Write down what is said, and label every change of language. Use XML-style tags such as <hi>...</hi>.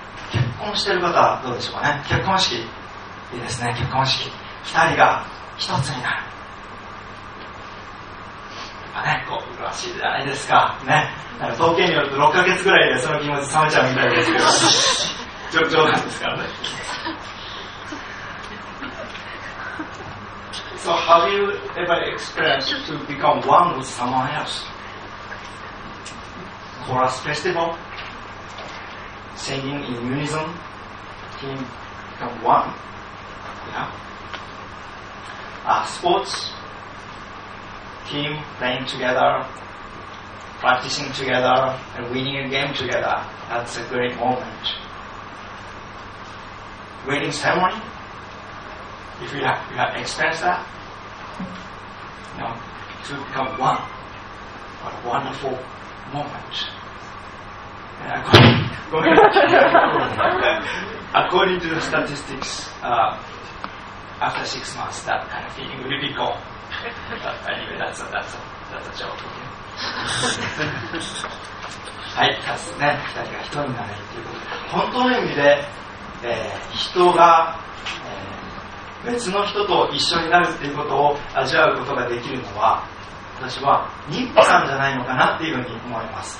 <ja>結婚してる方はどうでしょうかね。結婚式、いいですね、結婚式。二人が一つになる。やっぱね、こう、嬉しいじゃないですか。ね。なんか統計によると6ヶ月ぐらいでその気持ち冷めちゃうみたいですけど、冗談ですからね。</ja> <en>So have you ever experienced to become one with someone else? Chorus festival, singing in unison, team become one. Yeah. Sports, team playing together, practicing together, and winning a game together. That's a great moment. Wedding ceremony. If you have experienced that. To become one. What a wonderful moment. According to the statistics, after 6 months, that kind of feeling will be gone. But anyway, that's a joke. Okay.</en> <ja>はい、さすね、二人が一人になれるということで、本当の意味で、人が、別の人と一緒になるっていうことを味わうことができるのは、私は妊婦さんじゃないのかなっていうふうに思います。</ja>